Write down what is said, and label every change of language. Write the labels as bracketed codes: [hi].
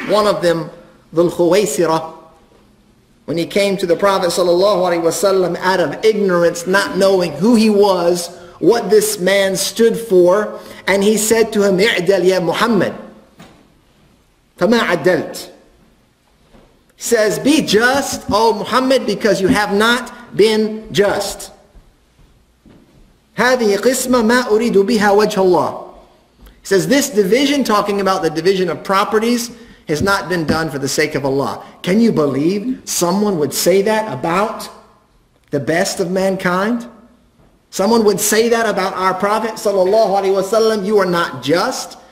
[en] One of them, Dhul-Khuwaisira, when he came to the Prophet sallallahu alaihi wasallam out of ignorance, not knowing who he was, what this man stood for, and he said to him, [ar] I'dal ya Muhammad, fama adalt. [en] He says, be just, O Muhammad, because you have not been just. [ar] هذه قسمة ما أريد بها وجه الله. [en] He says, this division, talking about the division of properties, has not been done for the sake of Allah. Can you believe someone would say that about the best of mankind? Someone would say that about our Prophet sallallahu alaihi wasallam, you are not just.